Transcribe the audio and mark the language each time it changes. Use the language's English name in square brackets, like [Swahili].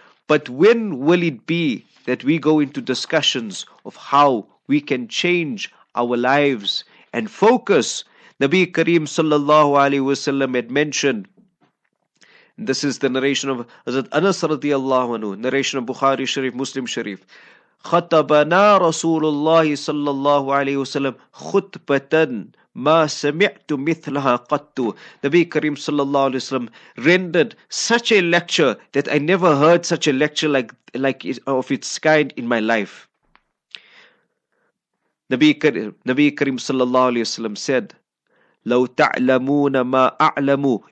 [English] But when will it be that we go into discussions of how we can change our lives and focus? Nabi Kareem sallallahu alayhi wasallam had mentioned, this is the narration of Hazrat Anas radiallahu anhu, narration of Bukhari Sharif, Muslim Sharif. [Arabic] خَطَبَنَا رَسُولُ اللَّهِ sallallahu alayhi wasallam خُطْبَةً مَا سَمِعْتُ مِثْلَهَا قَطُّ. [English] Nabi Karim sallallahu alayhi wasallam rendered such a lecture that I never heard such a lecture like of its kind in my life. Nabi Karim sallallahu alayhi wasallam said, [Arabic] لَوْ تَعْلَمُونَ مَا أَعْلَمُ.